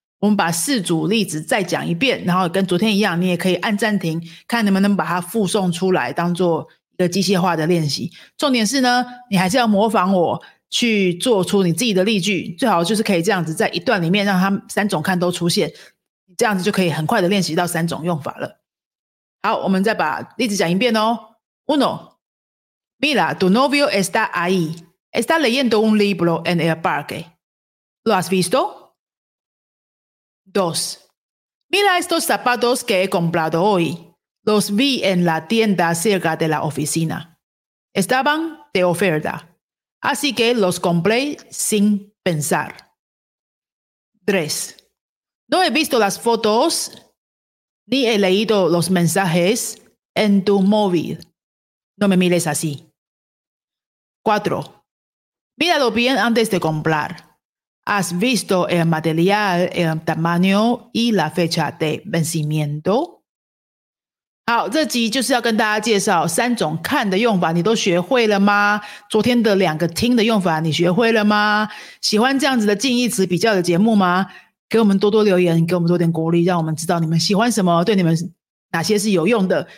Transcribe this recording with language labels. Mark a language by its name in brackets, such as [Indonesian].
[Chinese] 我们把四组例子再讲一遍，然后跟昨天一样，你也可以按暂停，看能不能把它复诵出来，当做一个机械化的练习。重点是呢，你还是要模仿我去做出你自己的例句，最好就是可以这样子在一段里面让它三种看都出现，这样子就可以很快的练习到三种用法了。好，我们再把例子讲一遍哦。 [Spanish] Uno, mira, tu novio está ahí. Está leyendo un libro en el parque. ¿Lo has visto? Dos, mira estos zapatos que he comprado hoy. Los vi en la tienda cerca de la oficina. Estaban de oferta. Así que los compré sin pensar. 3. No he visto las fotos ni he leído los mensajes en tu móvil. No me mires así. 4. Míralo bien antes de comprar. ¿Has visto el material, el tamaño y la fecha de vencimiento? [Chinese] 好，这集就是要跟大家介绍三种看的用法，你都学会了吗？昨天的两个听的用法你学会了吗？喜欢这样子的近义词比较的节目吗？给我们多多留言，给我们多点鼓励，让我们知道你们喜欢什么，对你们哪些是有用的。